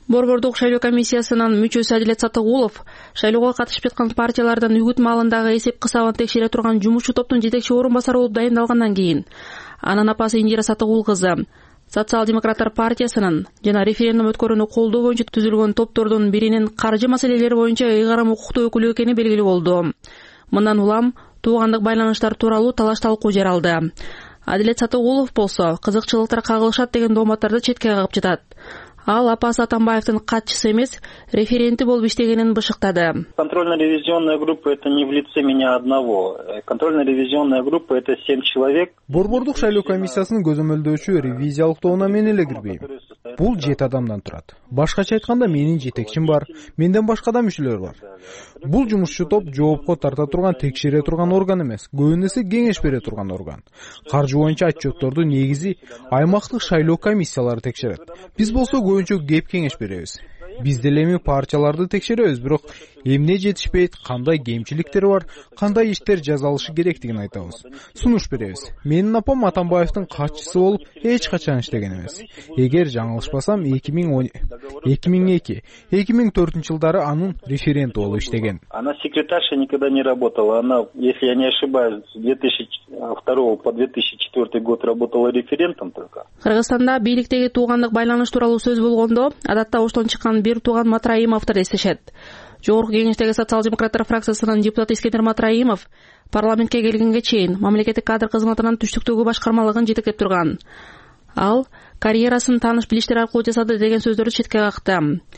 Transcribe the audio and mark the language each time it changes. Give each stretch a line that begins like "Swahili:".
Kyrgyz: Борбордук шайлоо комиссиясынын мүчөсү Адилет Сатыгулов шайлоого катышып жаткан партиялардын үгүт маалындагы эсеп кысабын текшере турган жумушчу топтун жетекчи орун басары болуп дайындалгандан кийин анын апасы Индира Сатыгул кызы Социал демократтар партиясынын жана референдум өткөрүүнү колдоо боюнча түзүлгөн топтордун биринин каржы маселелери боюнча ыйгарым укуктуу өкүлү экени белгилүү болду. Мындан улам туугандык байланыштар тууралуу талаш талкуу жаралды. Адилет Сатыгулов болсо кызыкчылыктар кагылышат деген дооматтарды четке кагып жатат. Ал апасы Атамбаевдин катчысы эмес, референти болуп иштегенин бышыктады.
Russian: Контрольно-ревизионная группа это не в лице меня одного. Контрольно-ревизионная группа это 7 человек.
Kyrgyz: Борбордук шайлоо комиссиясынын көзөмөлдөөчү ревизиялык тобуна мен эле кирбейм. Бул 7 адамдан турат. Башкача айтканда менин жетекчим бар, менден башка да мүчөлөр бар. Бул жумушчу топ жоопко тарта турган, текшере турган орган эмес, көбүнесе кеңеш бере турган орган. Каржы боюнча отчёттордун негизи аймактык шайлоо комиссиялары текшерет. Биз болсо көбүнчө кеп кеңеш беребиз. Биз деле эми партияларды текшеребиз, бирок эмне жетишпейт, кандай кемчиликтер бар, кандай иштер жазалышы керек деген айтабыз. Сунуш беребиз. Менин апам Атамбаевдин катчысы болуп эч качан иштеген эмес. Эгер жаңылышпасам 2002-2004 жылдары анын референти болуп иштеген.
Russian: Она секретарша никогда не работала. Она, если я не ошибаюсь, с 2002 по 2004 год работала референтом только.
Kyrgyz: Кыргызстанда бийликтеги туугандык байланыш тууралуу сөз болгондо адатта Оштон чыккан бир тууган Матраимовдор эстешет. Жогорку кеңештеги социал демократтар фракциясынын депутаты Искендер Матраимов парламентке келгенге чейин мамлекеттик кадр кызматынын түштүктөгү башкармалыгын жетектеп турган. Ал карьерасын тааныш билиштер аркылуу жасады деген сөздөрдү четке какты.